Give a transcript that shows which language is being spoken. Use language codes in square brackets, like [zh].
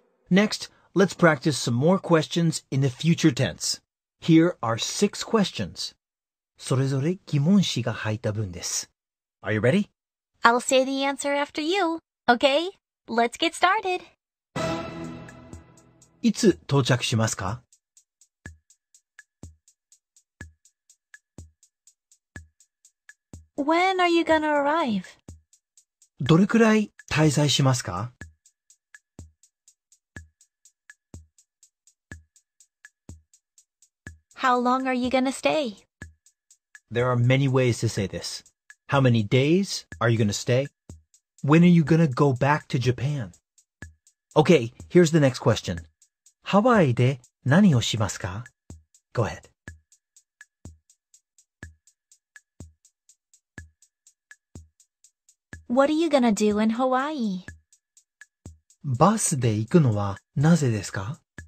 [en] Next, let's practice some more questions in the future tense. Here are 6 questions. [ja] それぞれ疑問詞が入った文です。 [en] Are you ready? I'll say the answer after you. Okay, let's get started. [ja] いつ到着しますか？ [en] When are you gonna arrive? [ja] どれくらい滞在しますか？ [en] How long are you gonna stay? There are many ways to say this. How many days are you gonna stay? When are you gonna go back to Japan? Okay, here's the next question. [ja] ハワイで何をしますか? [en] Go ahead. What are you gonna do in Hawaii? [ja] バスで行くのはなぜですか?